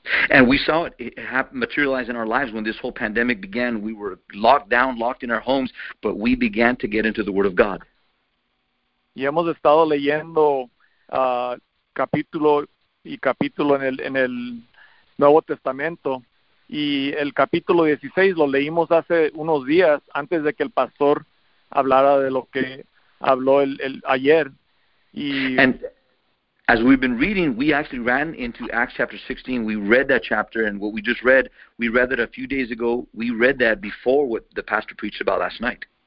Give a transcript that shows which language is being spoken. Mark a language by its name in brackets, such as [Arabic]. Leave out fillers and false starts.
[English] And we saw it materialize in our lives when this whole pandemic began. We were locked down, locked in our homes, but we began to get into the Word of God. [Spanish] Y hemos estado leyendo capítulo y capítulo en el Nuevo Testamento. Y el capítulo 16 lo leímos hace unos días antes de que el pastor hablara de lo que habló el ayer. Y [English] and as we've been reading, we actually ran into Acts chapter 16. We read that chapter, and what we just read, we read that a few days ago. We read that before what the pastor preached about last night.